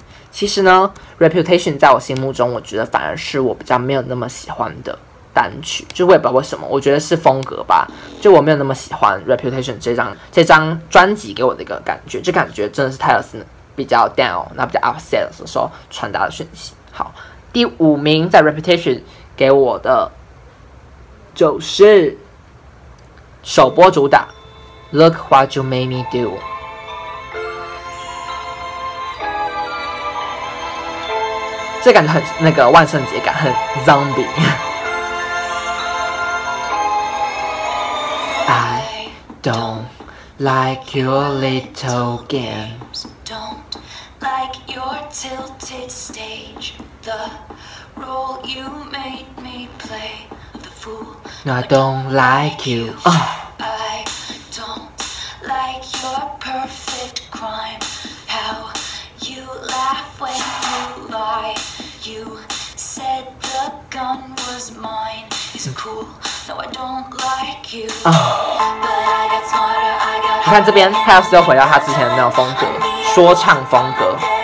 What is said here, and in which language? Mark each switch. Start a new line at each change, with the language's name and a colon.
Chinese: 其实呢， Reputation 在我心目中我觉得反而是我比较没有那么喜欢的单曲，就我也不知道为什么，我觉得是风格吧，就我没有那么喜欢 Reputation 这张专辑给我的一个感觉，就感觉真的是泰勒斯比较 down，那比较 upset 的时候传达的讯息。好，第五名在 Reputation 给我的就是首播主打 Look What You Made Me Do。这感觉很那个万圣节感，很 zombie。
English: I don't like your little games. Don't like your tilted stage. The role you made me play, the fool. No, I don't like you.、Oh. I don't like your perfect crime. How you laugh when you lie. You said the gun was mine. It's cool. No, I don't like you. But I got smarter. I got harder.
Chinese: 他看这边，他又回到他之前的那种风格，说唱风格。